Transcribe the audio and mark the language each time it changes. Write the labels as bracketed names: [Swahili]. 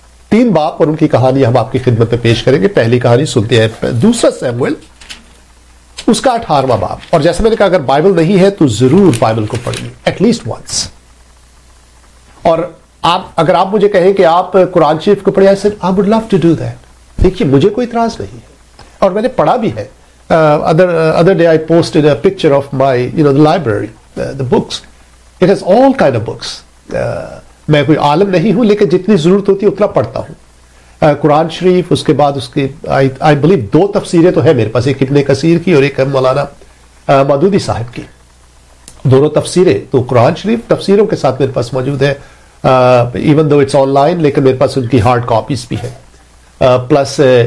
[Urdu] تین باپ اور ان کی کہانی ہم آپ کی خدمت میں پیش کریں گے. پہلی کہانی سنتے ہیں دوسرا سیموئل، اس کا 18 باپ. اور جیسے میں نے کہا، اگر بائبل نہیں ہے تو ضرور بائبل کو پڑھیے [English] At least once. [Urdu] اور آپ اگر آپ مجھے کہیں کہ آپ قرآن شریف کو پڑھیا، [English] sir I would love to do that, [Urdu] دیکھیے مجھے کوئی اعتراض نہیں ہے اور میں نے پڑھا بھی ہے. [English] Other day I posted a picture of my, you know, the library, the books. It has all kind of books. [Urdu] میں کوئی عالم نہیں ہوں لیکن جتنی ضرورت ہوتی ہے اتنا پڑھتا ہوں. قرآن شریف، اس کے بعد اس کے [English] I believe [Urdu] دو تفسیریں تو ہیں میرے پاس، ایک ابن کثیر کی اور ایک مولانا مودودی صاحب کی، دونوں تفسیریں. تو قرآن شریف تفسیروں کے ساتھ میرے پاس موجود ہے، [English] even though it's online, [Urdu] لیکن میرے پاس ان کی ہارڈ کاپیز بھی ہیں پلس.